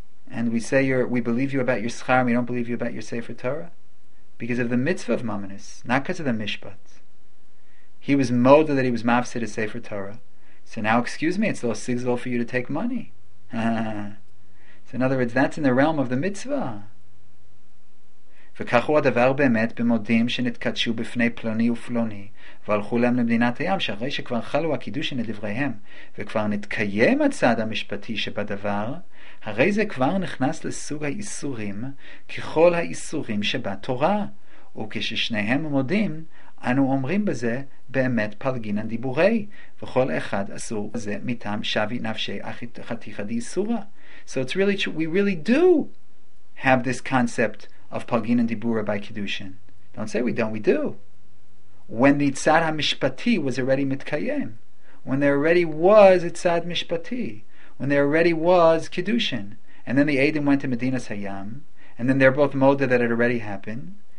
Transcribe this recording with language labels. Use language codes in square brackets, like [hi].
[en] And we say we believe you about your schar, and we don't believe you about your sefer Torah, because of the mitzvah of mamonis, not because of the mishpat. He was moda that he was mafsid a sefer Torah, so now excuse me, it's lo tigzol for you to take money. So in other words, that's in the realm of the mitzvah. [he] וכך הוא הדבר באמת במודים שנתקדשו בפני פלוני ופלוני והלכו להם למדינת הים שהרי שכבר חלו הקידושין לדבריהם וכבר נתקיים הצעד המשפטי שבדבר הרי זה כבר נכנס לסוג האיסורים ככל האיסורים שבתורה וכששניהם מודים אנו אומרים בזה באמת פלגין הדיבורי וכל אחד אסור זה מטעם שווי נפשי חתיכה דיסורה. [en] So it's really true, we really do have this concept of Palgin and Dibura by Kiddushin. Don't say we don't, we do. When the Tzad HaMishpati was already Mitkayem, when there already was a Tzad Mishpati, when there already was Kiddushin, and then the Edim went to Medina Sayyam, and then they're both Moda that had already happened.